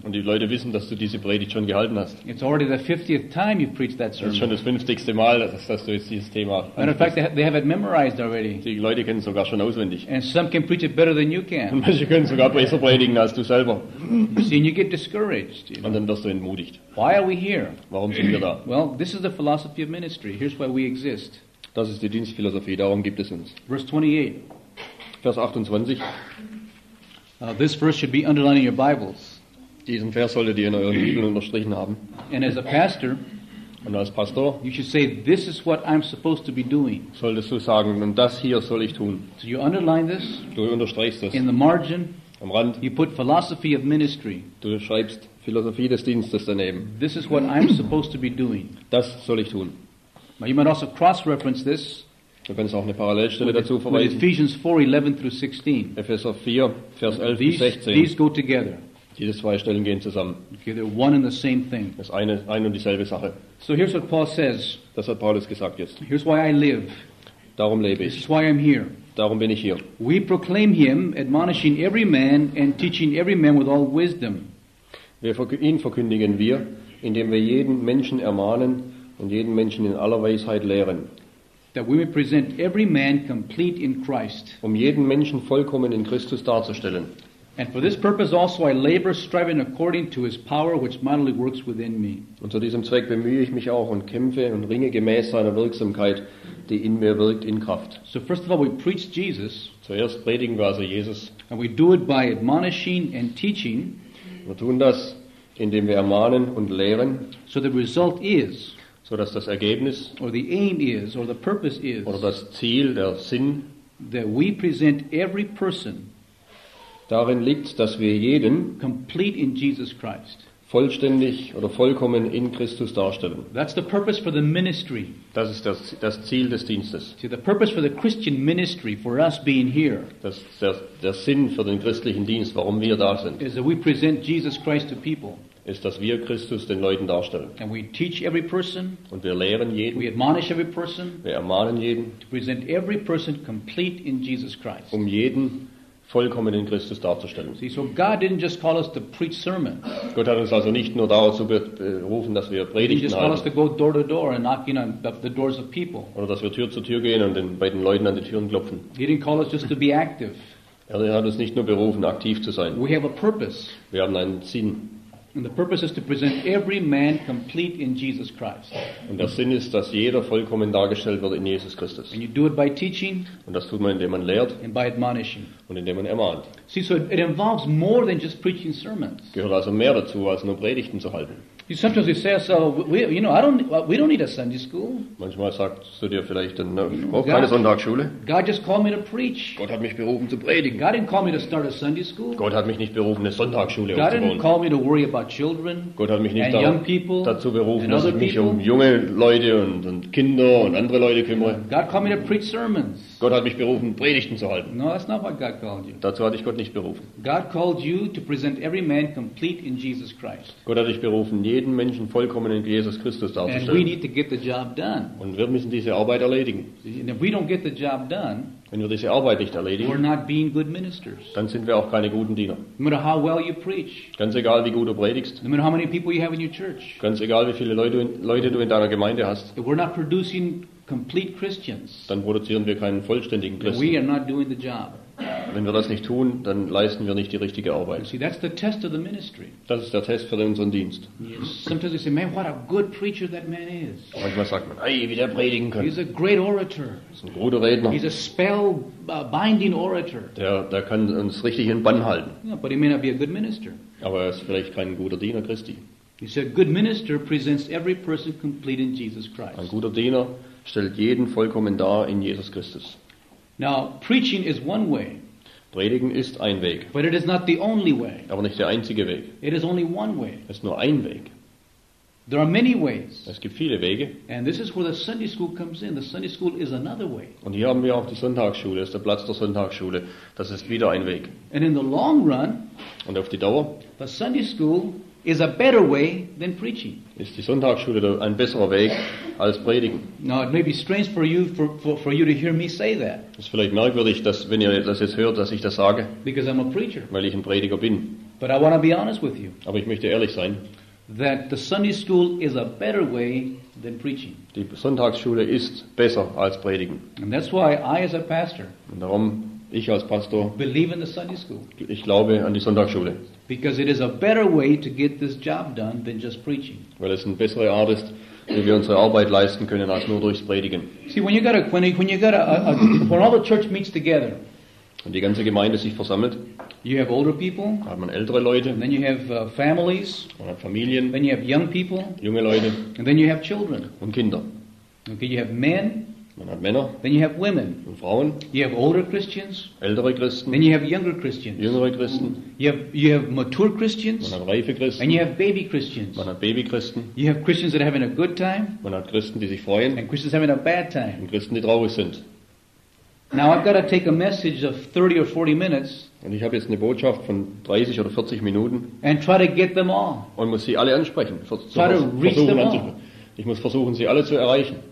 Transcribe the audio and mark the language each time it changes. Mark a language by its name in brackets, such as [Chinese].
[German] Und die Leute wissen, dass du diese Predigt schon gehalten hast. [English] It's already the 50th time you've preached that sermon. [German] Das ist schon das 50. Mal, dass du jetzt dieses Thema. [English] Matter of fact, they have it memorized already. [German] Die Leute kennen es sogar schon auswendig. [English] And some can preach it better than you can. [German] Und manche können sogar besser predigen als du selber. [English] You see, and you get discouraged, you know? [German] Und dann wirst du entmutigt. [English] Why are we here? [German] Warum sind wir da? [English] Well, this is the philosophy of ministry. Here's why we exist. [German] Das ist die Dienstphilosophie. Darum gibt es uns. [English] Verse 28. [German] Vers 28. [English] This verse should be underlined in your Bibles. [German] Diesen Vers solltet ihr in euren Bibeln unterstrichen haben. [English] And as a pastor, [German] Und als Pastor, [English] you should say, this is what I'm supposed to be doing. [German] Solltest du sagen, und das hier soll ich tun. [English] So you underline this. [German] Du unterstreichst das. [English] In the margin. [German] Am Rand. [English] You put philosophy of ministry. [German] Du schreibst Philosophie des Dienstes daneben. [English] This is what I'm supposed to be doing. [German] Das soll ich tun. [English] Now you might also cross-reference this. [German] Du kannst auch eine Parallelstelle dazu verweisen. [English] With Ephesians 4:11-16. [German] Epheser 4, Vers 11 bis 16. [English] These go together. [German] Diese zwei Stellen gehen zusammen. [English] Okay, they're one and the same thing. [German] Das ist eine und dieselbe Sache. [English] So here's what Paul says. [German] Das hat Paulus gesagt jetzt. [English] Here's why I live. [German] Darum lebe ich. [English] This is why I'm here. [German] Darum bin ich hier. [English] We proclaim him, admonishing every man and teaching every man with all wisdom. [German] Ihn verkündigen wir, indem wir jeden Menschen ermahnen und jeden Menschen in aller Weisheit lehren. [English] That we may present every man complete in Christ. [German] Um jeden Menschen vollkommen in Christus darzustellen. [English] And for this purpose also I labor, striving according to his power, which mightily works within me. [German] Und zu diesem Zweck bemühe ich mich auch und kämpfe und ringe gemäß seiner Wirksamkeit, die in mir wirkt, in Kraft. [English] So first of all, we preach Jesus. [German] Zuerst predigen wir also Jesus. [English] And we do it by admonishing and teaching. [German] Wir tun das, indem wir ermahnen und lehren. [English] So the result is. [German] So dass das Ergebnis. [English] Or the aim is, or the purpose is. [German] Oder das Ziel, der Sinn. [English] That we present every person. [German] Darin liegt, dass wir jeden [English] complete in Jesus Christ. [German] Vollständig oder vollkommen in Christus darstellen. [English] That's the purpose for the ministry. [German] Das ist das Ziel des Dienstes. [English] See, the purpose for the Christian ministry, for us being here. [German] Das ist der Sinn für den christlichen Dienst, warum wir da sind. [English] Is that we present Jesus Christ to people. [German] Ist, dass wir Christus den Leuten darstellen. [English] And we teach every person. [German] Und wir lehren jeden. [English] We admonish every person. [German] Wir ermahnen jeden. [English] To present every person complete in Jesus Christ. [German] Um jeden vollkommen in Christus darzustellen. [English] See, so God didn't just call us to preach sermons. [German] Gott hat uns also nicht nur dazu berufen, dass wir Predigten halten. [English] He just called us to go door to door and knocking on the doors of people. [German] Oder dass wir Tür zu Tür gehen und bei den Leuten an die Türen klopfen. [English] He didn't call us just to be active. [German] Er hat uns nicht nur berufen, aktiv zu sein. [English] We have a purpose. [German] Wir haben einen Sinn. [English] And the purpose is to present every man complete in Jesus Christ. [German] Und der Sinn ist, dass jeder vollkommen dargestellt wird in Jesus Christus. [English] And you do it by teaching. [German] Und das tut man, indem man lehrt. [English] And by admonishing. [German] Und indem man ermahnt. [English] See, so it involves more than just preaching sermons. [German] Gehört also mehr dazu, als nur Predigten zu halten. [English] You sometimes you say, so we don't need a Sunday school. [German] Manchmal sagst du dir vielleicht, keine Sonntagsschule. [English] God just called me to preach. [German] Gott hat mich berufen zu predigen. [English] God didn't call me to start a Sunday school. [German] Gott hat mich nicht berufen, eine Sonntagsschule aufzubauen. [English] God didn't call me to worry about children. [German] Gott hat mich nicht [English] young people [German] dazu berufen, dass ich mich um junge Leute und Kinder und andere Leute kümmere. [English] God called me to preach sermons. [German] Gott hat mich berufen, Predigten zu halten. [English] No, that's not what God called you. [German] Dazu hatte ich Gott nicht berufen. [English] God called you to present every man complete in Jesus Christ. [German] Gott hat dich berufen, jeden Menschen vollkommen in Jesus Christus darzustellen. [English] And we need to get the job done. [German] Und wir müssen diese Arbeit erledigen. [English] And if we don't get the job done, [German] wenn wir diese Arbeit nicht erledigen, [English] we're not being good ministers. [German] Dann sind wir auch keine guten Diener. [English] No matter how well you preach, [German] ganz egal, wie gut du predigst. [English] No matter how many people you have in your church, [German] ganz egal, wie viele Leute du in deiner Gemeinde hast. [English] If we're not producing complete Christians, [German] dann produzieren wir keinen vollständigen Christen. [English] We are not doing the job. [German] Wenn wir das nicht tun, dann leisten wir nicht die richtige Arbeit. [English] See, that's the test of the ministry. [German] Das ist der Test für unseren Dienst. [English] Sometimes you say, man, what a good preacher that man is. [German] Manchmal sagt man, ey, wie der predigen kann. [English] He's a great orator. [German] Ist ein guter Redner. [English] He's a spell binding orator. [German] Der kann uns richtig in Bann halten. [English] Yeah, but he may not be a good minister. [German] Aber er ist vielleicht kein guter Diener Christi. [English] He said, good minister presents every person complete in Jesus Christ. [German] Ein guter Diener stellt jeden vollkommen dar in Jesus Christus. [English] Now, preaching is one way. [German] Predigen ist ein Weg. [English] But it is not the only way. [German] Aber nicht der einzige Weg. [English] It is only one way. [German] Es ist nur ein Weg. [English] There are many ways. [German] Es gibt viele Wege. [English] And this is where the Sunday school comes in. The Sunday school is another way. [German] Und hier haben wir auch die Sonntagsschule. Das ist der Platz der Sonntagsschule. Das ist wieder ein Weg. [English] And in the long run, [German] und auf die Dauer, [English] the Sunday school is a better way than preaching. [German] Ist die Sonntagsschule ein besserer Weg als Predigen? [English] Now it may be strange for you to hear me say that. [German] Ist vielleicht merkwürdig, dass wenn ihr das jetzt hört, dass ich das sage. [English] Because I'm a preacher. [German] Weil ich ein Prediger bin. [English] But I want to be honest with you. [German] Aber ich möchte ehrlich sein. [English] That the Sunday school is a better way than preaching. [German] Die Sonntagsschule ist besser als Predigen. [English] And that's why I, as a pastor, [German] und darum ich als Pastor, [English] believe in the Sunday school. [German] Ich glaube an die Sonntagsschule. [English] Because it is a better way to get this job done than just preaching. [German] Weil es eine bessere Art ist, wie wir unsere Arbeit leisten können, als nur durchs Predigen. [English] See, when you got a when all the church meets together. [German] Und die ganze Gemeinde sich versammelt. [English] You have older people. [German] Hat man ältere Leute. [English] And then you have families. [German] Man hat Familien. [English] Then you have young people. [German] Junge Leute. [English] And then you have children. [German] Und Kinder. [English] Okay, you have men. [German] Man hat Männer. [English] Then you have women. [German] Und Frauen. [English] You have older Christians. [German] Ältere Christen. [English] Then you have younger Christians. [German] Jüngere Christen. [English] You have mature Christians. [German] Man hat reife Christen. [English] And you have baby Christians. [German] Man hat Babychristen. [English] You have Christians that are having a good time. [German] Man hat Christen, die sich freuen. [English] And Christians having a bad time. [German] Und Christen, die traurig sind. [English] Now I've got to take a message of 30 or 40 minutes. [German] Und ich habe jetzt eine Botschaft von 30 oder 40 Minuten. [English] And try to get them all. [German] Und muss sie alle ansprechen. [English] Try to reach them all. [German] Ich muss versuchen, sie alle zu erreichen.